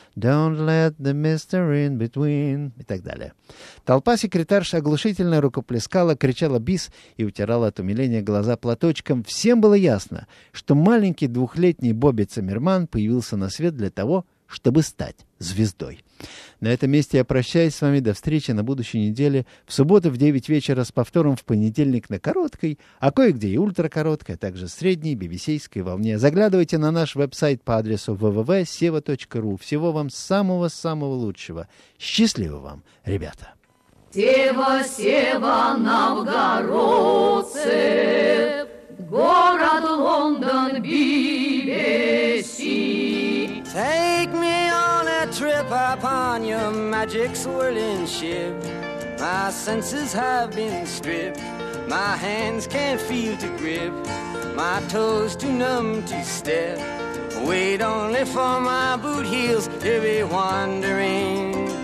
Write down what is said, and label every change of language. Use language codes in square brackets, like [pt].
[en] «Don't let the mister in between» [ru] и так далее. Толпа секретарш оглушительно рукоплескала, кричала «бис» и утирала от умиления глаза платочком. Всем было ясно, что маленький двухлетний Бобби Циммерман появился на свет для того, чтобы стать звездой. На этом месте я прощаюсь с вами. До встречи на будущей неделе. В субботу в 9 вечера с повтором в понедельник на короткой, а кое-где и ультракороткой, а также средней бибисейской волне. Заглядывайте на наш веб-сайт по адресу www.seva.ru. Всего вам самого-самого лучшего. Счастливо вам, ребята! Сева, Сева, новгородцы, город Лондон, Би-Би-Си. [en] Take me on a trip upon your magic swirling ship. My senses have been stripped. My hands can't feel to grip, my toes too numb to step. Wait only for my boot heels to be wandering.